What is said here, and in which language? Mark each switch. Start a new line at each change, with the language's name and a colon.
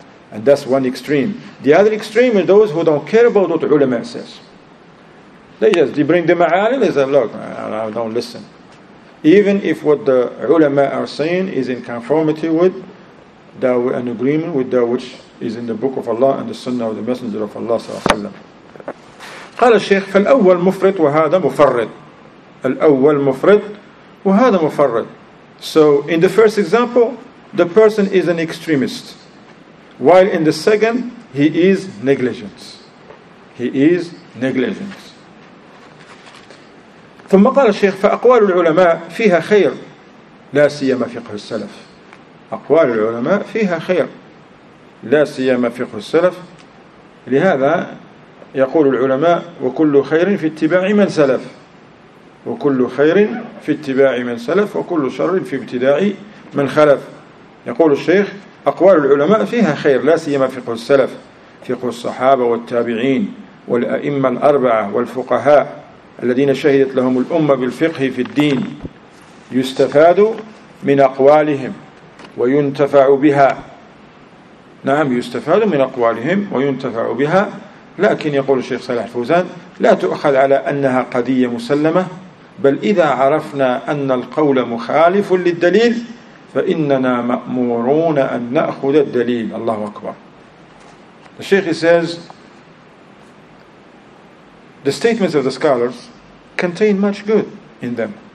English: And that's one extreme. The other extreme is those who don't care about what the ulama says. They bring the ma'alim, they say, look, I don't listen. Even if what the ulama are saying is in conformity with that, an agreement with that which is in the book of Allah and the Sunnah of the Messenger of Allah sallallahu alaihi wasallam.
Arabic: قال الشيخ فالأول مفرد وهذا مفرد. الأول مفرد وهذا مفرد.
English: So in the first example, the person is an extremist, while in the second, he is negligent. He is negligent.
Arabic: ثم قال الشيخ فأقوال العلماء فيها خير لا سيما فقه السلف. أقوال العلماء فيها خير لا سيما فقه السلف. لهذا يقول العلماء وكل خير في اتباع من سلف وكل خير في اتباع من سلف وكل شر في ابتداع من خلف. يقول الشيخ أقوال العلماء فيها خير لا سيما فقه السلف فقه الصحابة والتابعين والأئمة الأربعة والفقهاء الذين شهدت لهم الأمة بالفقه في الدين يستفاد من أقوالهم وينتفع بها. نعم يستفاد من أقوالهم وينتفع بها، لكن يقول الشيخ صلاح فوزان لا تؤخذ على أنها قضية مسلمة، بل إذا عرفنا أن القول مخالف للدليل فإننا مأمورون أن نأخذ الدليل. الله أكبر.
English: The Sheikh says the statements of the scholars contain much good in them.